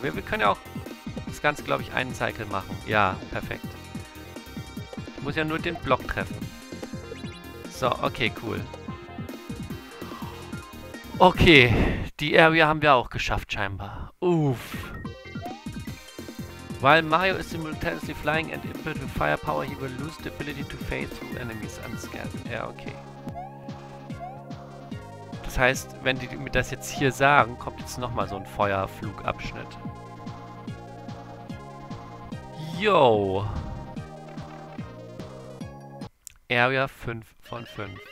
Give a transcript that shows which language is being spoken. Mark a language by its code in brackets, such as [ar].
[de] Wir können ja auch das Ganze, glaube ich, einen Cycle machen. Ja, perfekt. Ich muss ja nur den Block treffen. So, okay, cool. Okay, die Area haben wir auch geschafft, scheinbar. Uff. [en] While Mario is simultaneously flying and impelled with firepower, he will lose the ability to phase through enemies unscathed. [de] Ja, okay. Das heißt, wenn die mir das jetzt hier sagen, kommt jetzt nochmal so ein Feuerflugabschnitt. Yo! Area 5 von 5.